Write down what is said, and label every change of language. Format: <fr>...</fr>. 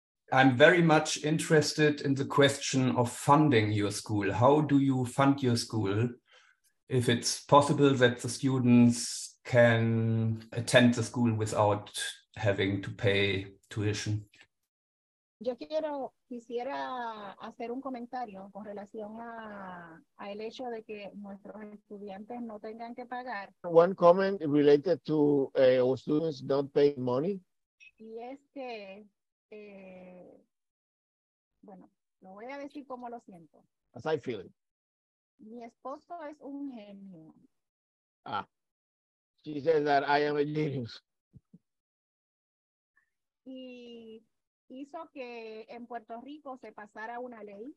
<en>I'm very much interested in the question of funding your school. How do you fund your school? If it's possible that the students can attend the school without having to pay tuition.</en> <es>Yo quisiera hacer un comentario con relación a el hecho de que nuestros estudiantes no tengan que pagar.</es> <en>One comment related to our students don't pay money.</en> <es>Y es que, bueno, lo voy a decir como lo siento.</es> <en>As I feel it.</en> <es>Mi esposo es un genio.</es> <en>Ah, she said that I am a genius.</en> <es>Y hizo que en Puerto Rico se pasara una ley.</es>